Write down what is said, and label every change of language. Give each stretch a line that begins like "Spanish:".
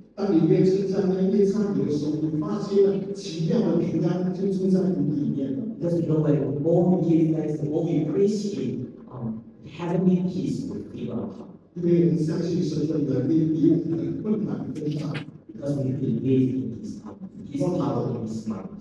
Chinese: 当你越称赞、越赞美的时候，你发现了奇妙的平安就住在你里面了。
English: Just know that the more we give thanks, the more we praise Him, heavenly peace will fill our heart.
Chinese: 因为我们相信神的能力比我们的困难更大。
English: Because we believe in His power, His power is mighty.